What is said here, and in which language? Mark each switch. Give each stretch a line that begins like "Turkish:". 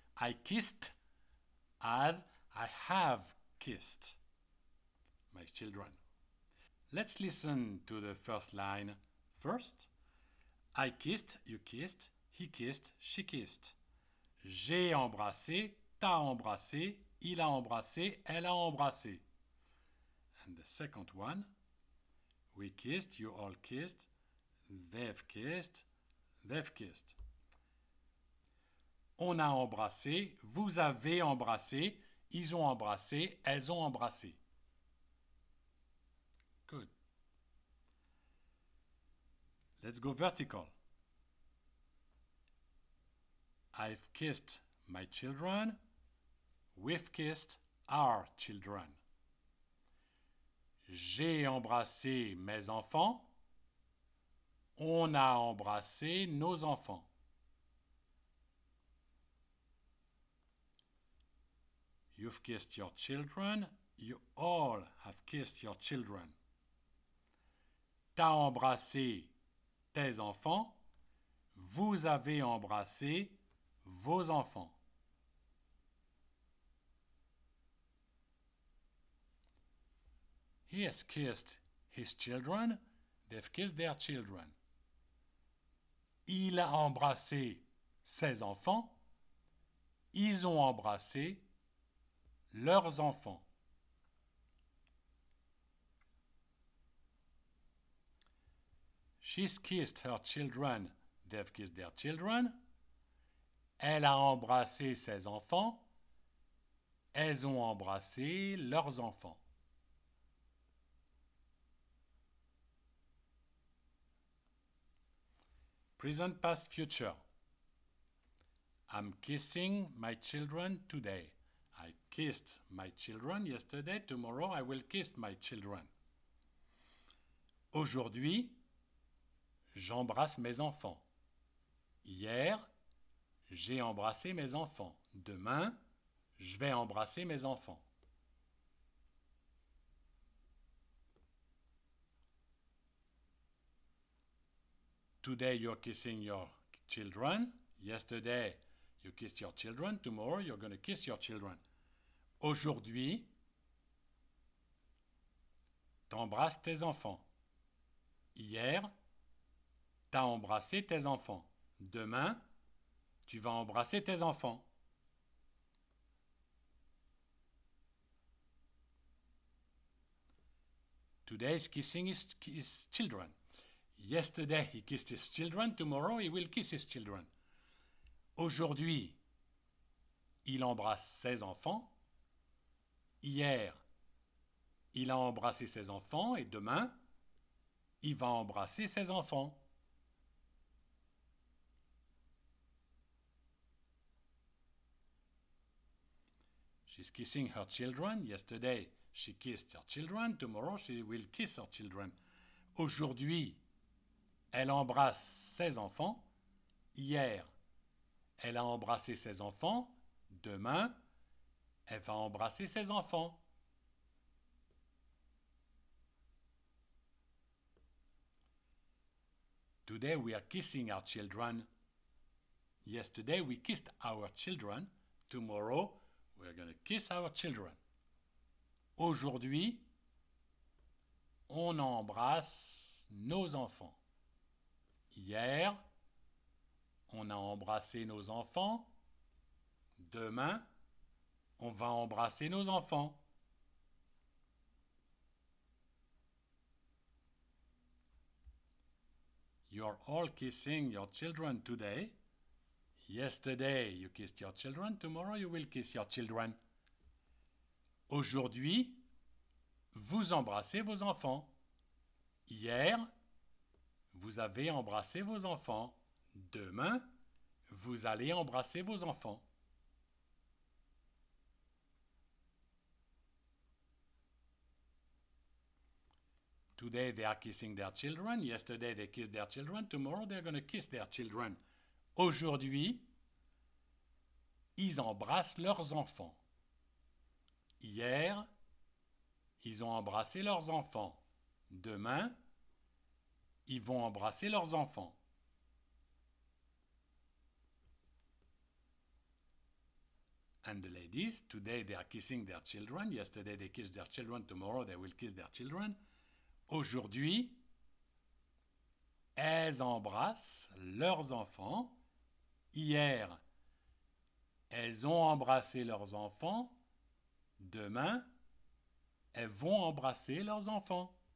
English: I kissed as I have kissed my children. Let's listen to the first line first. I kissed, you kissed, he kissed, she kissed.
French: J'ai embrassé, t'as embrassé, il a embrassé, elle a embrassé.
English: And the second one. We kissed, you all kissed, they've kissed, they've kissed.
French: On a embrassé, vous avez embrassé, ils ont embrassé, elles ont embrassé.
English: Good. Let's go vertical. I've kissed my children. We've kissed our children.
French: J'ai embrassé mes enfants. On a embrassé nos enfants.
English: You've kissed your children. You all have kissed your children.
French: T'as embrassé tes enfants. Vous avez embrassé vos enfants.
English: He has kissed his children. They've kissed their children.
French: Il a embrassé ses enfants. Ils ont embrassé leurs enfants.
English: She's kissed her children. They've kissed their children.
French: Elle a embrassé ses enfants. Elles ont embrassé leurs enfants.
English: Present, past, future. I'm kissing my children today. I kissed my children yesterday. Tomorrow, I will kiss my children.
French: Aujourd'hui, j'embrasse mes enfants. Hier, j'ai embrassé mes enfants. Demain, je vais embrasser mes enfants.
English: Today you're kissing your children. Yesterday you kissed your children. Tomorrow you're going to kiss your children.
French: Aujourd'hui, t'embrasses tes enfants. Hier, t'as embrassé tes enfants. Demain, tu vas embrasser tes enfants.
English: Today is kissing his children. Yesterday, he kissed his children. Tomorrow, he will kiss his children.
French: Aujourd'hui, il embrasse ses enfants. Hier, il a embrassé ses enfants. Et demain, il va embrasser ses enfants.
English: She's kissing her children. Yesterday, she kissed her children. Tomorrow, she will kiss her children.
French: Aujourd'hui, elle embrasse ses enfants. Hier, elle a embrassé ses enfants. Demain, elle va embrasser ses enfants.
English: Today we are kissing our children. Yesterday we kissed our children. Tomorrow we are going to kiss our children.
French: Aujourd'hui, on embrasse nos enfants. Hier, on a embrassé nos enfants. Demain, on va embrasser nos enfants.
English: You are all kissing your children today. Yesterday, you kissed your children. Tomorrow, you will kiss your children.
French: Aujourd'hui, vous embrassez vos enfants. Hier, vous avez embrassé vos enfants. Demain, vous allez embrasser vos enfants.
English: Today they are kissing their children. Yesterday they kissed their children. Tomorrow they're going to kiss their children.
French: Aujourd'hui, ils embrassent leurs enfants. Hier, ils ont embrassé leurs enfants. Demain, ils vont embrasser leurs enfants.
English: And the ladies, today they are kissing their children. Yesterday they kissed their children. Tomorrow they will kiss their children.
French: Aujourd'hui, elles embrassent leurs enfants. Hier, elles ont embrassé leurs enfants. Demain, elles vont embrasser leurs enfants.